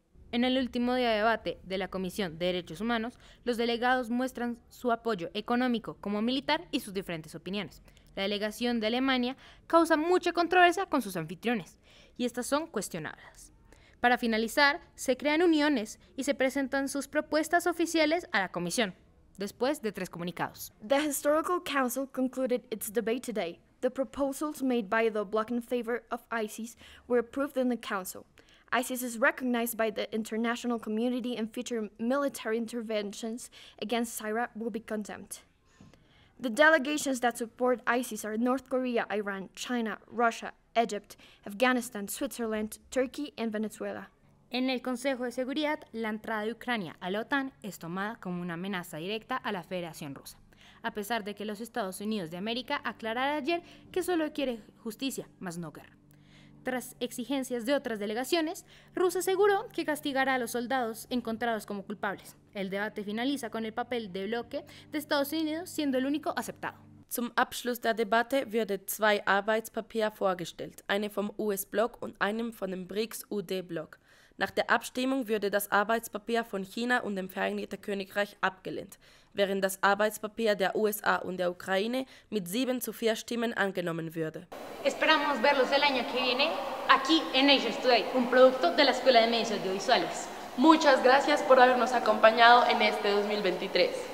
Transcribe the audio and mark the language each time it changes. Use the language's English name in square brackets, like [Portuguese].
[Spanish] En el último día de debate de la Comisión de Derechos Humanos, los delegados muestran su apoyo económico como militar y sus diferentes opiniones. La delegación de Alemania causa mucha controversia con sus anfitriones, y estas son cuestionables. Para finalizar, se crean uniones y se presentan sus propuestas oficiales a la comisión, después de tres comunicados. [English] The Historical Council concluded its debate today. The proposals made by the bloc in favor of ISIS were approved in the council. ISIS is recognized by the international community and future military interventions against Syria will be condemned. The delegations that support ISIS are North Korea, Iran, China, Russia, Egypt, Afghanistan, Switzerland, Turkey, and Venezuela. [Spanish] En el Consejo de Seguridad, la entrada de Ucrania a la OTAN es tomada como una amenaza directa a la Federación Rusa, a pesar de que los Estados Unidos de América aclararon ayer que solo quiere justicia, más no guerra. Tras exigencias de otras delegaciones, Rusia aseguró que castigará a los soldados encontrados como culpables. El debate finaliza con el papel de bloque de Estados Unidos siendo el único aceptado. [German] Zum Abschluss der Debatte wurde zwei Arbeitspapier vorgestellt, eine vom US-Block und einem von dem BRICS-UD-Block. Nach der Abstimmung wurde das Arbeitspapier von China und dem Vereinigten Königreich abgelehnt, während das Arbeitspapier der USA und der Ukraine mit 7-4 Stimmen angenommen würde. [Spanish] Esperamos verlos el año que viene aquí en Nations Today, un producto de la Escuela de Medios Audiovisuales. Muchas gracias por habernos acompañado en este 2023.